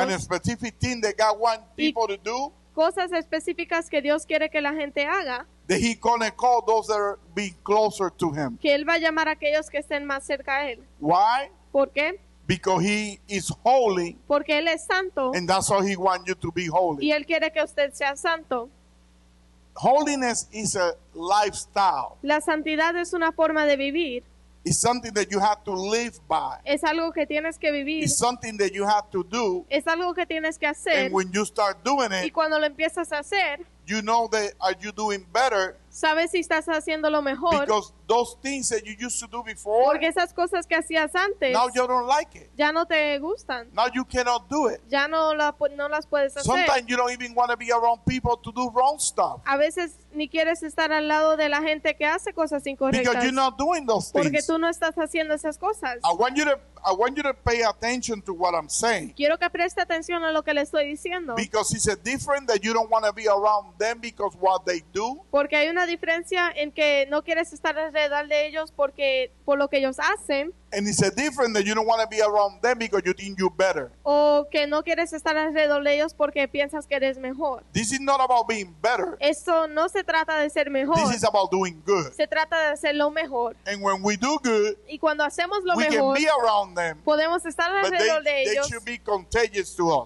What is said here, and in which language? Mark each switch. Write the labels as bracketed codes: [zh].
[en] And a specific thing that God wants people to do. [es] Cosas específicas que Dios quiere que la gente haga. [en] That he's going to call those that are being closer to him. [es] Que él va a llamar a aquellos que estén más cerca a él. [en] Why? [es] ¿Por qué? [en] Because he is holy. [es] Porque él es santo. [en] And that's why he wants you to be holy. [es] Y él quiere que usted sea santo. [en] Holiness is a lifestyle. [es] La santidad es una forma de vivir. [en] It's something that you have to live by. [es] Es algo que tienes que vivir. [en] It's something that you have to do. [es] Es algo que tienes que hacer. [en] And when you start doing it, [es] y cuando lo empiezas a hacer, [en] you know that are you doing better? [es] Sabes si estás haciendo lo mejor. [en] Because those things that you used to do before, [es] porque esas cosas que hacías antes, [en] now you don't like it. [es] Ya no te gustan. [en] Now you cannot do it. [es] Ya no las puedes hacer. [en] Sometimes you don't even want to be around people to do wrong stuff. [es] A veces ni quieres estar al lado de la gente que hace cosas incorrectas. [en] Because you're not doing those things. [es] Porque tú no estás haciendo esas cosas. [en] I want you to pay attention to what I'm saying. [es] Quiero que preste atención a lo que le estoy diciendo. [en] Because it's a different that you don't want to be around them because what they do. [es] Porque hay una diferencia en que no quieres estar alrededor de ellos porque por lo que ellos hacen. [en] And it's a different that you don't want to be around them because you think you're better. [es] O que no quieres estar alrededor de ellos porque piensas que eres mejor. [en] This is not about being better. [es] Esto no se trata de ser mejor. [en] This is about doing good. [es] Se trata de hacer lo mejor. [en] And when we do good, [es] y cuando hacemos lo mejor, [en] we can be around them. [es] Podemos estar alrededor de ellos. [en] But they should be contagious to us.